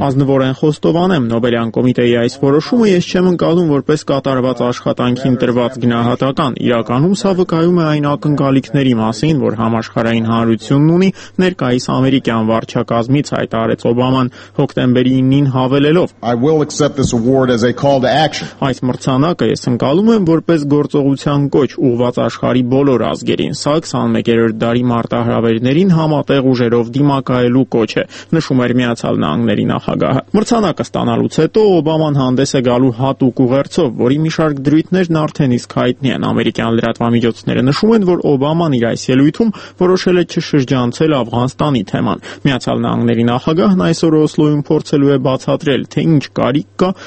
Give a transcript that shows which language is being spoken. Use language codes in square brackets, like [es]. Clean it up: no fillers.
[hy] Ազնվորեն խոստովանեմ, Նոբելյան կոմիտեի այս որոշումը ես չեմ ընկալում որպես կատարված աշխատանքին տրված գնահատական։ Իրականում սա վկայում է այն ակնկալիքների մասին, որ համաշխարհային հանրությունն ունի ներկայիս ամերիկյան վարչակազմից, հայտարարեց Օբաման հոկտեմբերի 9-ին հավելելով. [en] I will accept this award as a call to action. [hy] Այս մրցանակը ես ընկալում եմ որպես գործողության կոչ ուղված աշխարհի բոլոր ազգերին, սա 21-րդ դարի մարտահրավերներին համատեղ ուժերով դիմակայելու կոչ է։ նշում էր Միացյալ Նահանգների նախագահը։ Մրցանակը ստանալուց հետո Օբաման հանդես է գալու հատուկ ուղերձով, որի մի շարք դրույթներն արդեն իսկ հայտնի են։ Ամերիկյան լրատվամիջոցները նշում են, որ Օբաման իր այս ելույթում որոշել է չշրջանցել Աֆղանստանի թեման։ Միացյալ Նահանգների նախագահն այսօր Օսլոյում փորձելու է բացատրել, թե ինչ կարիք կա